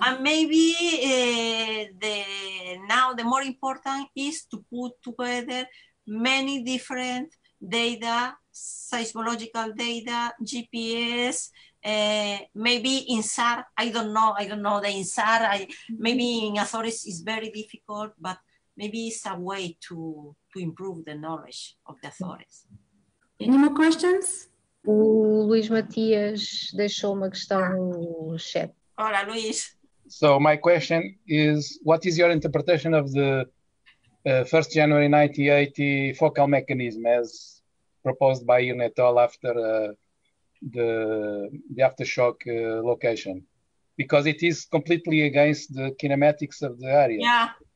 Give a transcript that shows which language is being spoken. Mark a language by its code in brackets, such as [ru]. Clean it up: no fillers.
[en] And maybe the more important is to put together many different data, seismological data, GPS, maybe INSAR. I don't know the INSAR. Maybe in Azores is very difficult, but maybe it's a way to improve the knowledge of the Azores. Any more questions? [pt] O Luís Matias deixou uma questão no chat. Olá, Luís. [en] So my question is, what is your interpretation of the 1st January 1980 focal mechanism as proposed by UNETOL after the aftershock location? Because it is completely against the kinematics of the area.